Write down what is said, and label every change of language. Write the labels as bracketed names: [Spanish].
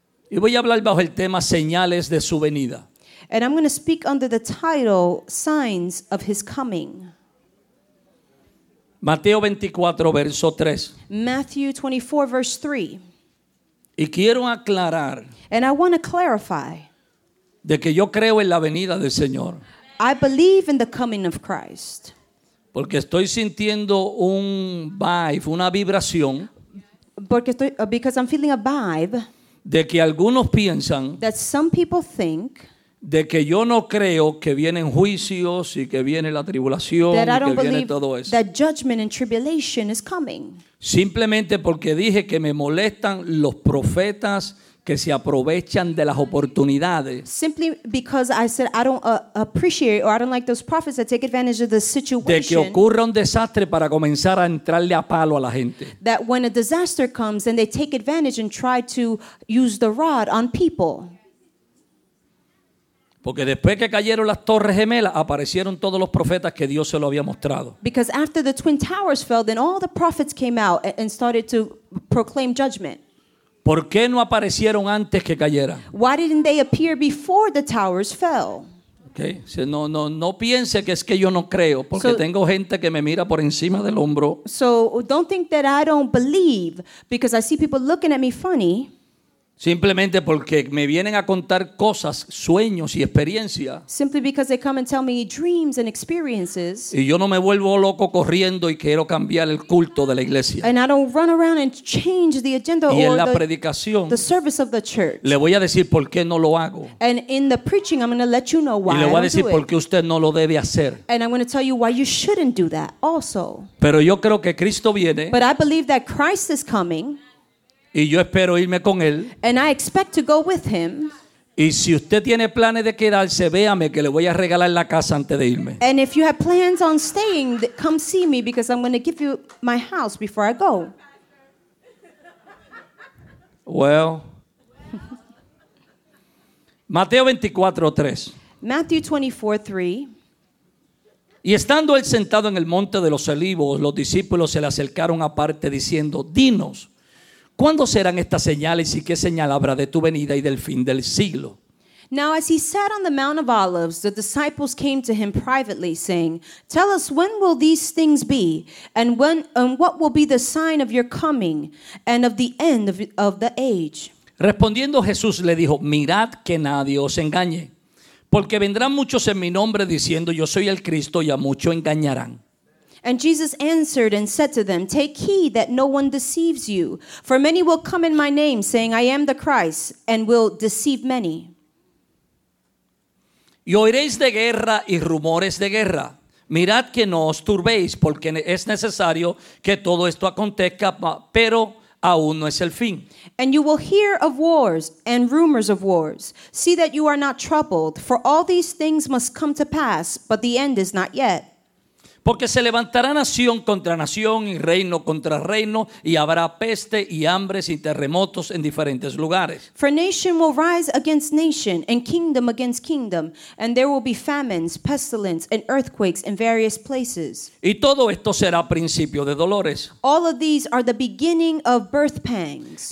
[Spanish] Y voy a hablar bajo el tema señales de su venida. [English] And I'm going to speak under the title Signs of His Coming. [Spanish] Mateo 24 verso 3. [English] Matthew 24 verse 3. [Spanish] Y quiero aclarar. [English] And I want to clarify. [Spanish] De que yo creo en la venida del Señor. [English] I believe in the coming of Christ. [Spanish] Porque estoy sintiendo un vibe, una vibración. [English] Because I'm feeling a vibe. [Spanish] De que algunos piensan. [English] That some people think. [Spanish] De que yo no creo que vienen juicios y que viene la tribulación y que viene todo eso. [English] That judgment and tribulation is coming. [Spanish] Simplemente porque dije que me molestan los profetas que se aprovechan de las oportunidades. [English] Simply because I said I don't appreciate or I don't like those prophets that take advantage of the situation. [Spanish] De que ocurra un desastre para comenzar a entrarle a palo a la gente. [English] That when a disaster comes and they take advantage and try to use the rod on people. [Spanish] Porque después que cayeron las Torres Gemelas, aparecieron todos los profetas que Dios se lo había mostrado. [English] Because after the Twin Towers fell, then all the prophets came out and started to proclaim judgment. [Spanish] ¿Por qué no aparecieron antes que cayeran? [English] Why didn't they appear before the towers fell? Okay. [Spanish] No piense que es que yo no creo, porque tengo gente que me mira por encima del hombro. [English] So don't think that I don't believe, because I see people looking at me funny. [Spanish] Simplemente porque me vienen a contar cosas, sueños y experiencias. [English] Simply because they come and tell me dreams and experiences. [Spanish] Y yo no me vuelvo loco corriendo y quiero cambiar el culto de la iglesia. [English] And I don't run around and change the agenda [Spanish] y en la predicación, [English] the service of the church. [Spanish] Le voy a decir por qué no lo hago. [English] And in the preaching I'm going to let you know why. [Spanish] Y le voy a decir por qué usted no lo debe hacer. [English] And I'm going to tell you why you shouldn't do that also. [Spanish] Pero yo creo que Cristo viene. [English] But I believe that Christ is coming. [Spanish] Y yo espero irme con él. [English] And I expect to go with him. [Spanish] Y si usted tiene planes de quedarse, véame que le voy a regalar la casa antes de irme. [English] And if you have plans on staying, come see me because I'm going to give you my house before I go. Well. [Spanish] Mateo 24, 3. [English] Matthew 24, 3. [Spanish] Y estando él sentado en el monte de los olivos, los discípulos se le acercaron aparte diciendo, dinos. ¿Cuándo serán estas señales y qué señal habrá de tu venida y del fin del siglo? [English] Now as he sat on the Mount of Olives, the disciples came to him privately, saying, Tell us, when will these things be, and what will be the sign of your coming, and of the end of the age? [Spanish] Respondiendo Jesús le dijo, Mirad que nadie os engañe, porque vendrán muchos en mi nombre diciendo, Yo soy el Cristo, y a muchos engañarán. [English] And Jesus answered and said to them, Take heed that no one deceives you, for many will come in my name, saying, I am the Christ, and will deceive many. [Spanish] Y oiréis de guerra y rumores de guerra. Mirad que no os turbéis, porque es necesario que todo esto acontezca, pero aún no es el fin. [English] And you will hear of wars and rumors of wars. See that you are not troubled, for all these things must come to pass, but the end is not yet. [Spanish] Porque se levantará nación contra nación y reino contra reino y habrá peste y hambres y terremotos en diferentes lugares. [English] For nation will rise against nation and kingdom against kingdom and there will be famines, pestilence and earthquakes in various places. [Spanish] Y todo esto será principio de dolores. [English] All of these are the beginning of birth pangs.